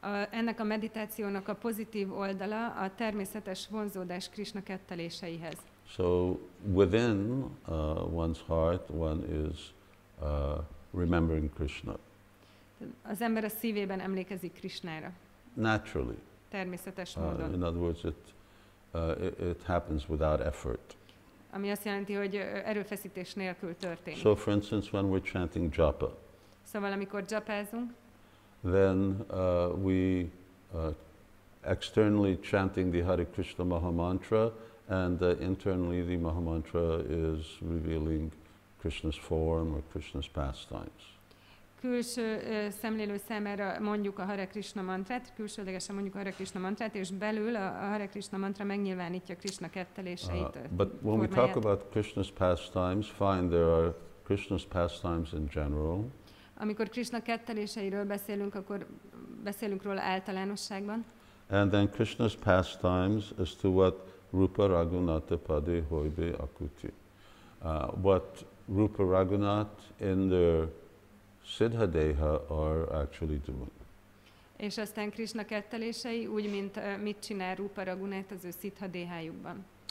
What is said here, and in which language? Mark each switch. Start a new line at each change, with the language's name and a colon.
Hungarian: Ennek a meditációnak a pozitív oldala a természetes vonzódás Krishna ketteléseihez.
English: So within one's heart one is remembering Krishna.
Hungarian: Az ember a szívében emlékezik Krishnára.
English: Naturally.
Hungarian: Természetes módon.
English: In other words, it happens without effort.
Hungarian: Ami azt jelenti, hogy erőfeszítés nélkül történik.
English: So for instance, when we're chanting japa.
Hungarian: Szóval amikor japázunk,
English: then we externally chanting the Hare Krishna Maha Mantra, and internally the Maha Mantra is revealing Krishna's form or Krishna's pastimes.
Hungarian: Külső szemlélő számára mondjuk a Hare Krishna Mantrát, külsődlegesen mondjuk a Hare Krishna Mantrát, és belül a Hare Krishna Mantra megnyilvánítja Krishna ketteléseit.
English: But when we talk about Krishna's pastimes, fine, there are Krishna's pastimes in general.
Hungarian: Amikor Krishna ketteléseiről beszélünk, akkor beszélünk róla általánosságban.
English: And then Krishna's pastimes as to what
Bangla: Rupa Raghunatha Pade Hoibe Akuti.
English: What Rupa Raghunath in their Siddha Deha are actually doing.
Hungarian: És aztán Krishna kettelései, úgy mint mit csinál Rupa Ragunát az ő Siddha déhájukban.